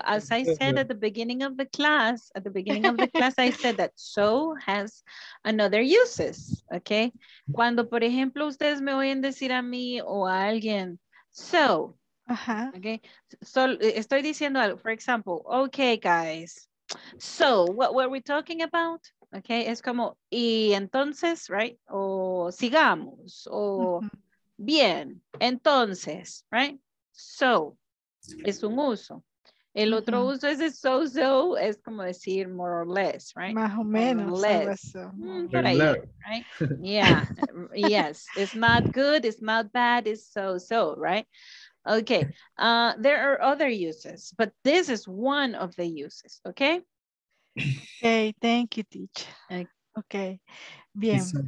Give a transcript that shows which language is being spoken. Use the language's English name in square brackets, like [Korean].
[English] As I said at the beginning of the class, I said that so has another uses. Okay. [Spanish] Cuando, por ejemplo, ustedes me oyen decir a mí o a alguien, so. Uh-huh. [English] Okay. So, [Spanish] estoy diciendo algo. [English] For example, okay, guys. So, what were we talking about? Okay, [Spanish] es como, y entonces, [English] right? [Spanish] O sigamos, o bien, entonces, right? So, es un uso. El otro uso es el so-so, es como decir [English] more or less, [Spanish] right? Más o menos. [English] Less. [Spanish] Por ahí, [English] right? Yeah, yes. It's not good, it's not bad, it's so-so, right? Okay, there are other uses, but this is one of the uses, okay? Okay, thank you, teacher. Okay, bien.